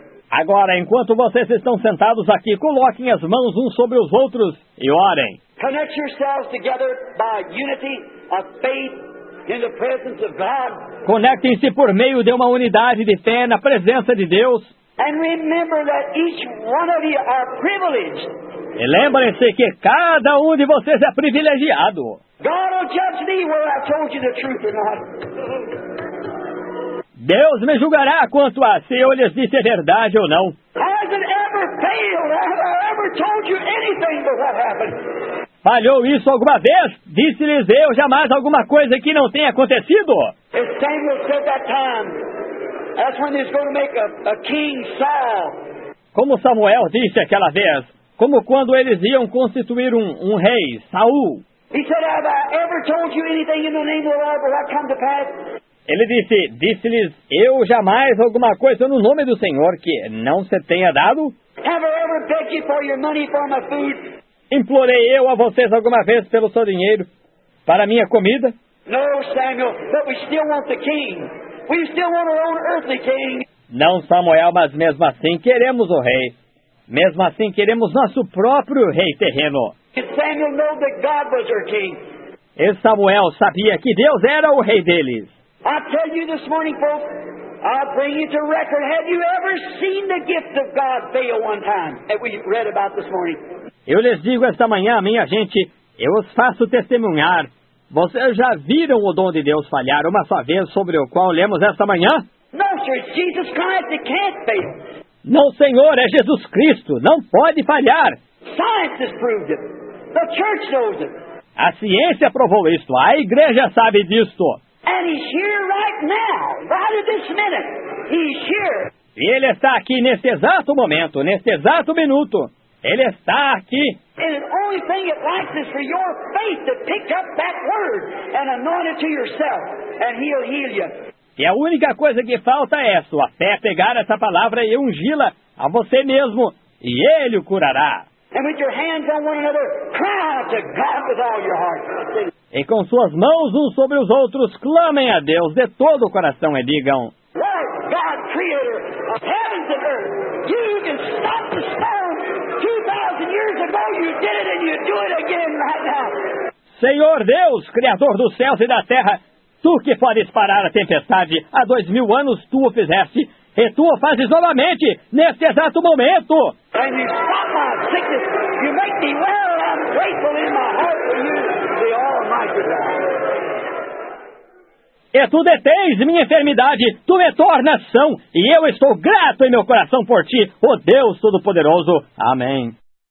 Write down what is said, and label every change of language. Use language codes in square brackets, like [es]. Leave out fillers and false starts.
[pt] Agora, enquanto vocês estão sentados aqui, coloquem as mãos uns sobre os outros e orem. [en] Connect yourselves together by unity of faith. In the presence of God. [pt] Conectem-se por meio de uma unidade de fé na presença de Deus. [en] And remember that each one of you are privileged. [pt] E lembrem-se que cada de vocês é privilegiado. [en] God will judge me whether I told you the truth or not. [pt] Deus me julgará quanto a se eu lhes disse a verdade ou não. [en] Has it ever failed? Have I ever told you anything but what happened? [pt] Falhou isso alguma vez? Disse-lhes eu jamais alguma coisa que não tenha acontecido? [en] As Samuel said that time, that's when he's going to make a king Saul. [pt] Como Samuel disse aquela vez, como quando eles iam constituir um rei, Saul. [en] He said, have I ever told you anything in the name of the Lord, will that come to pass? [pt] Ele disse, disse-lhes eu jamais alguma coisa no nome do Senhor que não se tenha dado? [en] Have I ever begged you for your money for my food? [pt] Implorei eu a vocês alguma vez pelo seu dinheiro para minha comida? [en] No, Samuel, but we still want the king. We still want our own earthly king. [pt] Não, Samuel, mas mesmo assim queremos o rei. Mesmo assim queremos nosso próprio rei terreno. [en] Did Samuel know that God was their king? [pt] E Samuel sabia que Deus era o rei deles. [en] I tell you this morning, folks, I'll bring you to record. Have you ever seen the gift of God fail one time that we read about this morning? [pt] Eu lhes digo esta manhã, minha gente, eu os faço testemunhar. Vocês já viram o dom de Deus falhar uma só vez sobre o qual lemos esta manhã? [en] No, sir, Jesus Christ, it can't fail. [pt] Não, Senhor, é Jesus Cristo. Não pode falhar. [en] Science has proved it. The church knows it. [pt] A ciência provou isto. A igreja sabe disto. [en] And he's here right now, right at this minute. He's here. [pt] E ele está aqui neste exato momento, neste exato minuto. Ele está aqui. [en] And the only thing it lacks is for your faith to pick up that word and anoint it to yourself, and he'll heal you. [pt] E a única coisa que falta é sua fé pegar essa palavra e ungi-la a você mesmo, e ele o curará. [en] And with your hands on one another, cry out to God with all your heart. [pt] E com suas mãos uns sobre os outros, clamem a Deus de todo o coração e digam: [en] Lord God, Creator of heavens and earth, you can stop the stone. 2,000 years ago, you did it and you do it again right now. [pt] Senhor Deus, Criador dos céus e da terra, tu que podes parar a tempestade. Há 2000 anos tu o fizeste. E tu o fazes novamente, neste exato momento. [en] And you stop my sickness. You make me well and grateful in my heart for you, the Almighty God. [pt] E tu detens minha enfermidade, tu me tornas são, e eu estou grato em meu coração por ti, ó Deus Todo-Poderoso. Amém.